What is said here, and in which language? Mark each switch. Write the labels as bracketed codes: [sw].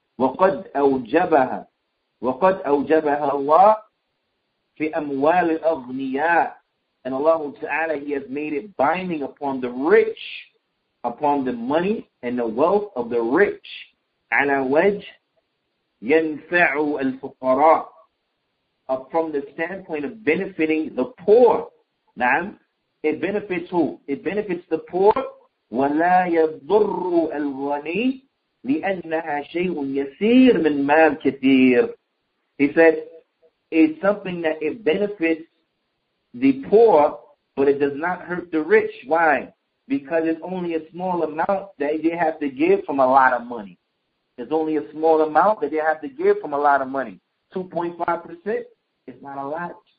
[ar] وقد أوجبها الله في أموال الأغنياء. [en] And Allah Ta'ala, He has made it binding upon the rich, upon the money and the wealth of the rich. [ar] على وجه ينفع الفقراء. [en] From the standpoint of benefiting the poor. نعم. It benefits who? It benefits the poor. [ar] ولا يضر الغني لأنها شيء يسير من مال كثير. [en] He said, it's something that it benefits the poor, but it does not hurt the rich. Why? Because it's only a small amount that they have to give from a lot of money. It's only a small amount that they have to give from a lot of money. 2.5% is not a lot.